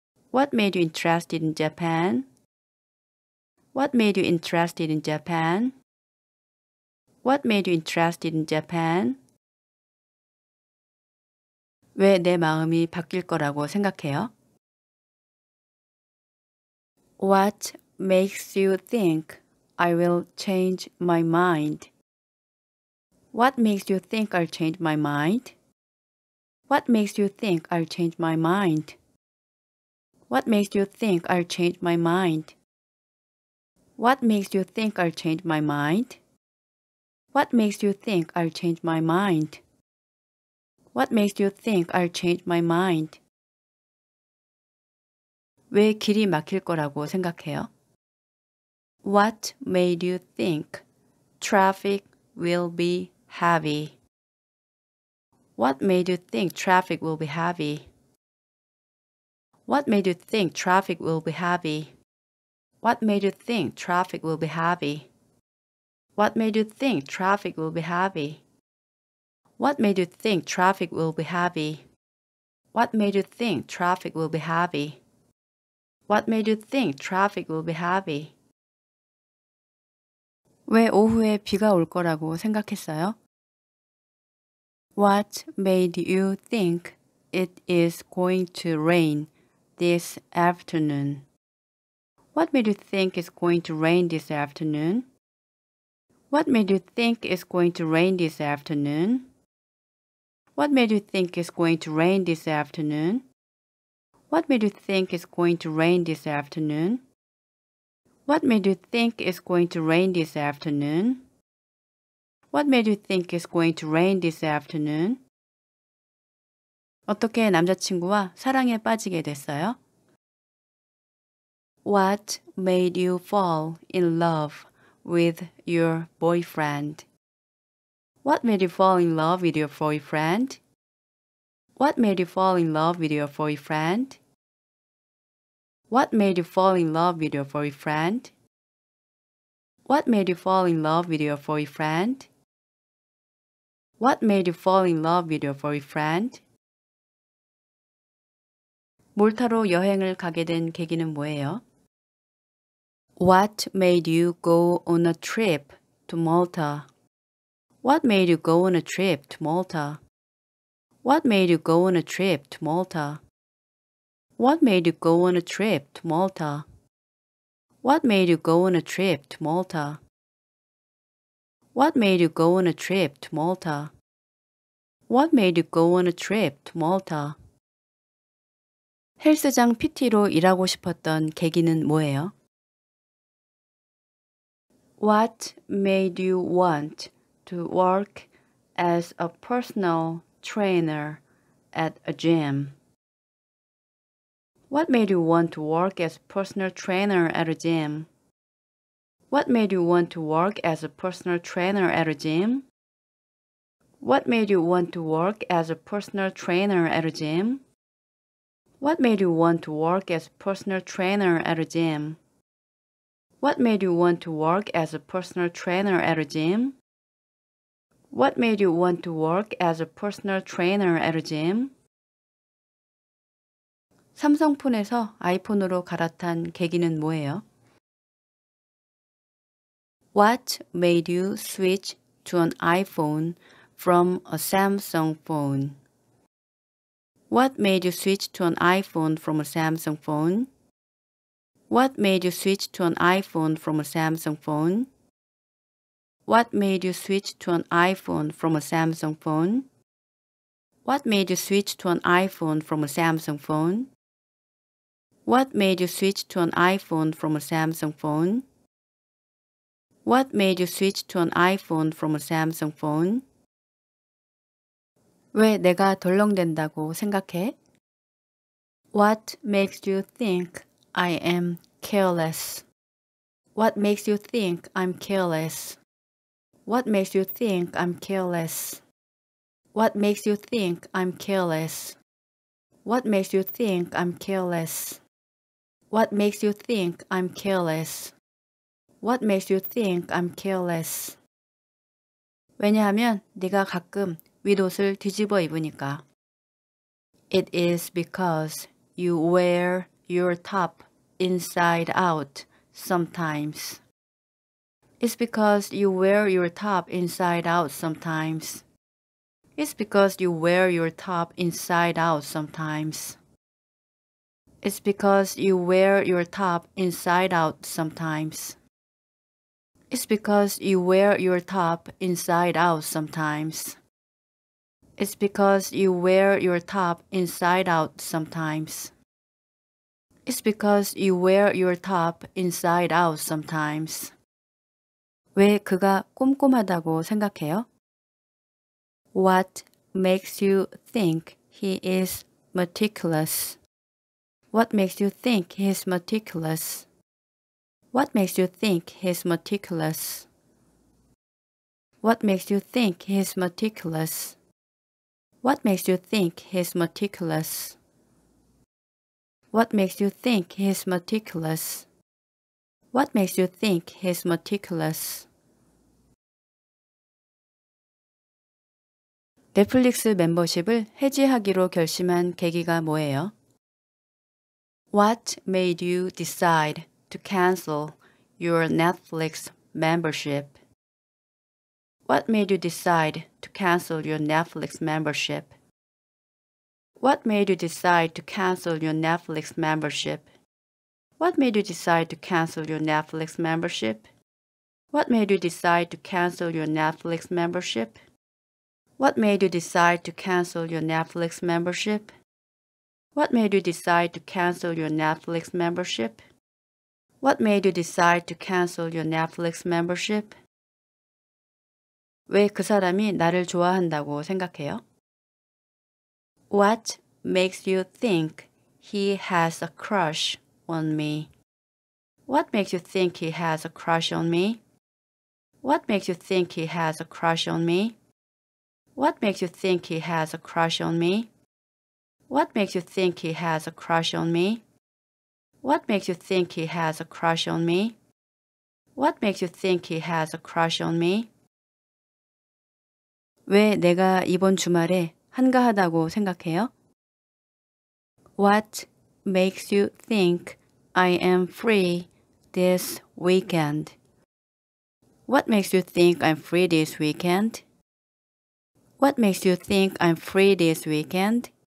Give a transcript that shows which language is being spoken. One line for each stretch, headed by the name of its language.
English: What made you interested in Japan? What made you interested in Japan? What made you interested in Japan?
Korean: 왜 내 마음이 바뀔 거라고 생각해요?
English: What makes you think I will change my mind? What makes you think I'll change my mind? What makes you think I'll change my mind? What makes you think I'll change my mind? What makes you think I'll change my mind? What makes you think I'll change my mind? What makes you think I'll change my mind?
Korean: 왜 길이 막힐 거라고 생각해요?
English: What made you think traffic will be heavy? What made you think traffic will be heavy? What made you think traffic will be heavy? What made you think traffic will be heavy? What made you think traffic will be heavy? What made you think traffic will be heavy? What made you think traffic will be heavy? What made you think traffic will be heavy?
Korean: 왜 오후에 비가 올 거라고 생각했어요?
English: What made you think it is going to rain this afternoon? What made you think it's going to rain this afternoon? What made you think it's going to rain this afternoon? What made you think it's going to rain this afternoon? What made you think it's going to rain this afternoon? What made you think it's going to rain this afternoon? What made you think it's going to rain this afternoon?
Korean: 어떻게 남자친구와 사랑에 빠지게 됐어요?
English: What made you fall in love with your boyfriend? What made you fall in love with your boyfriend? What made you fall in love with your boyfriend? What made you fall in love with your boyfriend? What made you fall in love with your boyfriend? What made you fall in love with your boyfriend?
Korean: 몰타로 여행을 가게 된 계기는 뭐예요?
English: What made you go on a trip to Malta? What made you go on a trip to Malta? What made you go on a trip to Malta? What made you go on a trip to Malta? What made you go on a trip to Malta? What made you go on a trip to Malta? What made you go on a trip to Malta?
Korean: 헬스장 PT로 일하고 싶었던 계기는 뭐예요?
English: What made you want to work as a personal trainer at a gym? What made you want to work as a personal trainer at a gym? What made you want to work as a personal trainer at a gym? What made you want to work as a personal trainer at a gym? What made you want to work as a personal trainer at a gym? What made you want to work as a personal trainer at a gym? What made you want to work as a personal trainer at a gym?
Korean: 삼성폰에서 아이폰으로 갈아탄 계기는 뭐예요?
English: What made you switch to an iPhone from a Samsung phone? What made you switch to an iPhone from a Samsung phone? What made you switch to an iPhone from a Samsung phone? What made you switch to an iPhone from a Samsung phone? What made you switch to an iPhone from a Samsung phone? What made you switch to an iPhone from a Samsung phone? What made you switch to an iPhone from a Samsung phone?
Korean: 왜 내가 덜렁댄다고 생각해?
English: What makes you think I am careless? What makes you think I'm careless? What makes you think I'm careless? What makes you think I'm careless? What makes you think I'm careless? What makes you think I'm careless? What makes you think I'm careless?
Korean: 왜냐하면 네가 가끔 윗옷을 뒤집어 입으니까.
English: It is because you wear your top inside out sometimes. It's because you wear your top inside out sometimes. It's because you wear your top inside out sometimes. It's because you wear your top inside out sometimes. It's because you wear your top inside out sometimes. It's because you wear your top inside out sometimes. It's because you wear your top inside out sometimes.
Korean: 왜 그가 꼼꼼하다고 생각해요?
English: What makes you think he is meticulous? What makes you think he is meticulous? What makes you think he is meticulous? What makes you think he is meticulous? What makes you think he is meticulous? What makes you think he is meticulous? What makes you think he is meticulous?
Korean: 넷플릭스 멤버십을 해지하기로 결심한 계기가 뭐예요?
English: What made you decide to cancel your Netflix membership? What made you decide to cancel your Netflix membership? What made you decide to cancel your Netflix membership? What made you decide to cancel your Netflix membership? What made you decide to cancel your Netflix membership? What made you decide to cancel your Netflix membership? What made you decide to cancel your Netflix membership? What made you decide to cancel your Netflix membership?
Korean: 왜 그 사람이 나를 좋아한다고 생각해요?
English: What makes you think he has a crush on me? What makes you think he has a crush on me? What makes you think he has a crush on me? What makes you think he has a crush on me? What makes you think he has a crush on me? What makes you think he has a crush on me? What makes you think he has a crush on me?
Korean: 왜 내가 이번 주말에 한가하다고 생각해요?
English: What makes you think I am free this weekend? What makes you think I'm free this weekend? What makes you think I'm free this weekend?